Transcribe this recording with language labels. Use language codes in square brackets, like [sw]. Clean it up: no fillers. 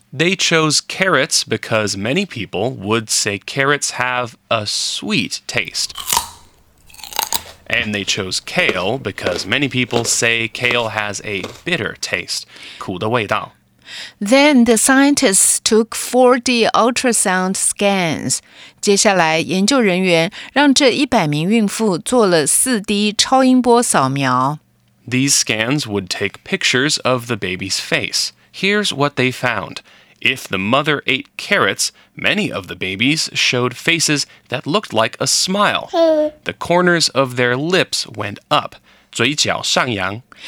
[en] They chose carrots because many people would say carrots have a sweet taste. And they chose kale because many people say kale has a bitter taste, [zh] 苦的味道。 [en] Then the scientists took 4D ultrasound scans. [zh] 接下来研究人员让这100名孕妇做了 4D 超音波扫描。 [en] These scans would take pictures of the baby's face. Here's what they found. If the mother ate carrots, many of the babies showed faces that looked like a smile. The corners of their lips went up. [zh] 嘴角上扬。